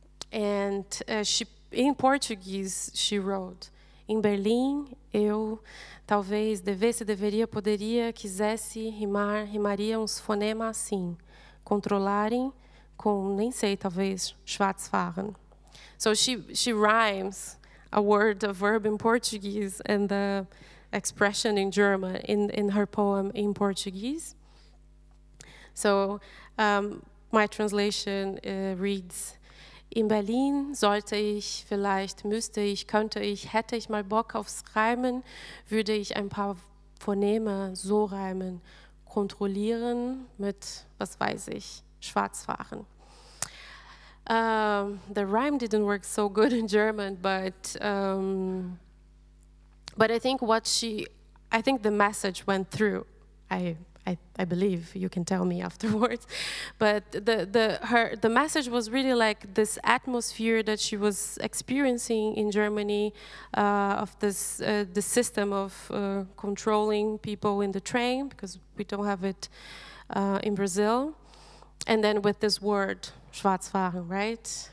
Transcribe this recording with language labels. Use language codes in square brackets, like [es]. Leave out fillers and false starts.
[en] In Portuguese, she wrote, [pt] em Berlim, eu talvez devesse, deveria, poderia, quisesse rimar, rimaria uns fonemas assim, controlarem com, nem sei, talvez, schwarzfahren. [en] So she rhymes a verb in Portuguese and the expression in German in her poem in Portuguese. So my translation reads, [de] in Berlin sollte ich, vielleicht müsste ich, könnte ich, hätte ich mal Bock aufs Reimen, würde ich ein paar Phoneme so reimen, kontrollieren mit, was weiß ich, schwarzfahren. [en] The rhyme didn't work so good in German, but I think the message went through. I believe you can tell me afterwards, but the message was really like this atmosphere that she was experiencing in Germany, of this the system of controlling people in the train, because we don't have it in Brazil, and then with this word Schwarzfahren, right?